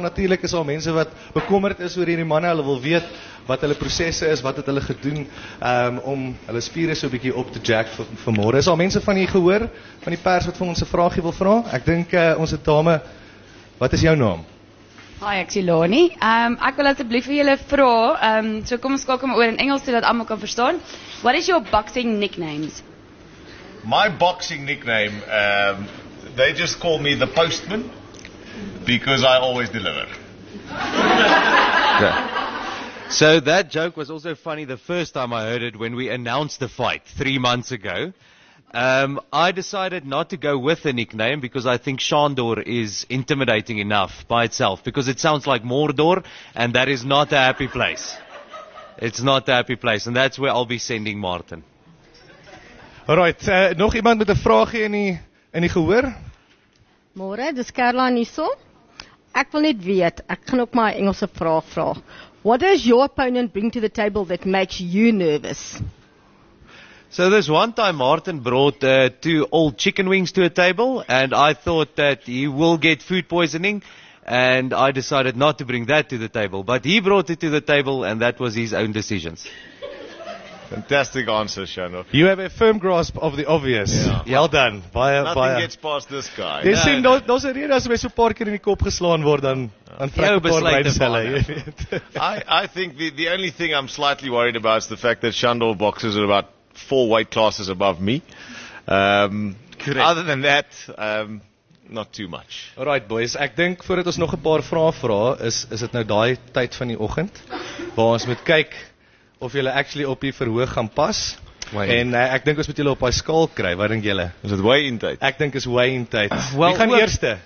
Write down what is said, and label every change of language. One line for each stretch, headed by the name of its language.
Afrikaans: Natuurlik is al mense wat bekommerd is oor hierdie manne. Hulle wil weet wat hulle prosesse is, wat het hulle gedoen om hulle spiere so 'n bietjie op te jack vir môre. Is al mense van hier gehoor van die pers wat vir ons 'n vraagie wil vra? Ek dink ons het dame, wat is jou naam? Hi, ek is Ilani. Ek wil asseblief vir julle vra, so kom ons skakel oor in Engels sodat almal kan verstaan.
English: What is your boxing nicknames? My boxing nickname, they just call me the postman because I always deliver. Okay. So that joke was also funny the first time I heard it when we announced the fight 3 months ago. I decided not to go with a nickname because I think Shandor is intimidating enough by itself, because it sounds like Mordor, and that is not a happy place. It's not a happy place, and that's where I'll be sending Martin.
Afrikaans: Alright, nog iemand met 'n vraagie in die gehoor? Môre, dis Carla Niso. Ek wil net weet, ek gaan ook my Engelse vraag vra.
English: What does your opponent bring to the table that makes you nervous? So this one time Martin brought two old chicken wings to a table, and I thought that he will get food poisoning, and I decided not to bring that to the table. But he brought it to the table, and that was his own decisions. Fantastic answer, Shandor. You have a firm grasp of the obvious. Yeah. Well done. Nothing gets past this guy.
Afrikaans: Jy sien, daar's 'n rede as jy so 'n paar keer in die kop geslaan word, dan vrek 'n paar bytselle.
English: I think the only thing I'm slightly worried about is the fact that Shandor boxes at about 4 weight classes above me. Other than that, not too much. All right, boys.
Afrikaans: Ek dink voordat ons nog 'n paar vrae vra, is dit nou daai tyd van die oggend waar ons moet kyk of julle actually op die verhoog gaan pas. En ek dink ons moet julle op daai skaal kry. Wat dink julle? Is dit weigh-in tyd? Ek dink is weigh-in tyd. Wie gaan eerste?